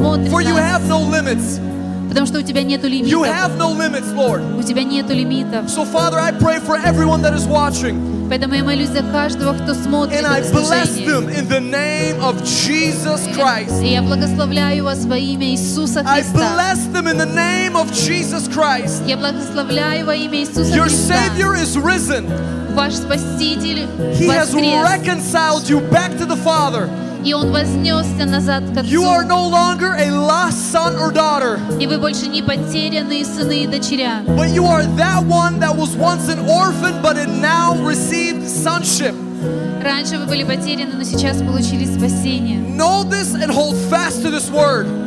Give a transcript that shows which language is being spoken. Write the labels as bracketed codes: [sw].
[en] For you have no limits. You have no limits, Lord. So, Father, I pray for everyone that is watching. And I bless them in the name of Jesus Christ. [ru] И я благословляю вас во имя Иисуса Христа. [en] I bless them in the name of Jesus Christ. [ru] Я благословляю во имя Иисуса Христа. [en] Your Savior is risen. [ru] Ваш Спаситель воскрес. [en] He has reconciled you back to the Father. [ru] И он вознесся назад к Отцу. [en] You are no longer a lost son or daughter. [ru] И вы больше не потерянные сыны и дочеря. [en] But you are that one that was once an orphan, but it now received sonship. [ru] Раньше вы были потеряны, но сейчас получили спасение. [en] Know this and hold fast to this word.